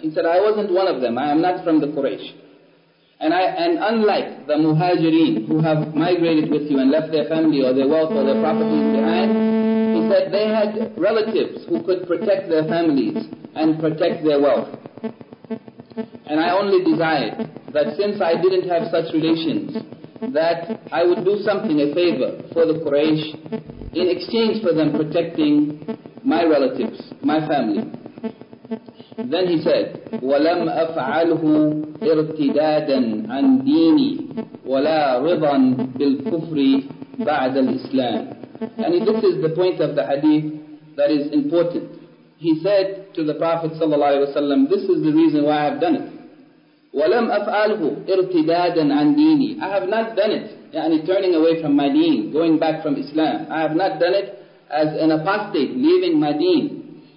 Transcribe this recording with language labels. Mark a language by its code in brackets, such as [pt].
[en] He said, I wasn't one of them. I am not from the Quraysh. And unlike the Muhajireen who have migrated with you and left their family or their wealth or their properties behind, he said, they had relatives who could protect their families and protect their wealth. And I only desired that since I didn't have such relations, that I would do something, a favor for the Quraysh, in exchange for them protecting my relatives, my family. Then he said, [ar] وَلَمْ أَفْعَلْهُ إِرْتِدَادًا عَنْ دِينِي وَلَا رِضًا بِالْكُفْرِ بَعْدَ الْإِسْلَامِ. [en] And this is the point of the hadith that is important. He said to the Prophet ﷺ, this is the reason why I have done it. [ar] وَلَمْ أَفْعَلْهُ إِرْتِدَادًا عَنْ دِينِي. [en] I have not done it. Yani turning away from my deen, going back from Islam. I have not done it as an apostate, leaving my deen.